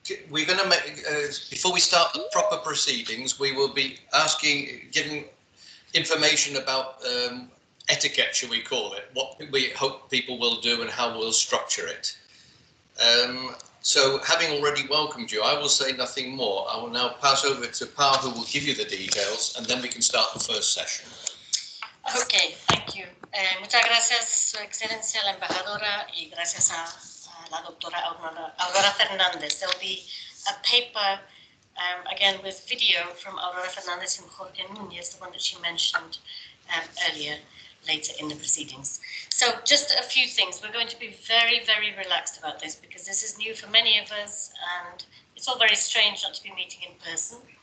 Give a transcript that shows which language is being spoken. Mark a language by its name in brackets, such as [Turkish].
[English] We're going to make, before we start the proper proceedings, we will be asking, giving information about etiquette, shall we call it, what we hope people will do and how we'll structure it. So having already welcomed you, I will say nothing more. I will now pass over to Pa, who will give you the details, and then we can start the first session. Okay, thank you. [Spanish] Muchas gracias, Su Excelencia, la Embajadora, y gracias a la Doctora Aurora Fernández. [English] There'll be a paper, again, with video from Aurora Fernández and Jorge Núñez, the one that she mentioned earlier, later in the proceedings. So just a few things. We're going to be very, very relaxed about this because this is new for many of us, and it's all very strange not to be meeting in person.